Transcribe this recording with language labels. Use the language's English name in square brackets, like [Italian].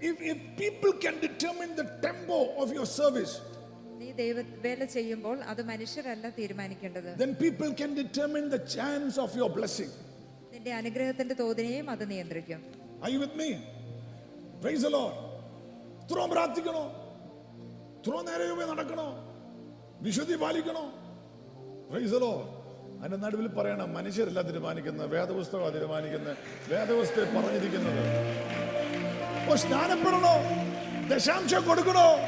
[English] If people can determine the tempo of your service, [Malayalam] നീ ദൈവ വേല ചെയ്യുമ്പോൾ അത് മനുഷ്യരല്ല തീരുമാനിക്കേണ്ടത്. [English] Then people can determine the chance of your blessing. [Malayalam] നിന്റെ അനുഗ്രഹത്തിന്റെ തോതിനെയും അത് നിയന്ത്രിക്കും. [English] Are you with me? Praise the Lord. [Malayalam] Throw പ്രാർത്ഥിക്കണോ? Throw നേരെയുമേ നടക്കണോ? വിശുദ്ധി പാലിക്കണോ? [English] Praise the Lord. [Malayalam] അതിന്റെ നടുവിൽ പറയണം, മനുഷ്യരല്ല തീരുമാനിക്കുന്നത്, വേദപുസ്തകം തീരുമാനിക്കുന്നത്, വേദപുസ്തകം പറഞ്ഞിരിക്കുന്നത്. അപ്പോ സ്നാനപ്പെടണോ? ദശാംശം കൊടുക്കണോ?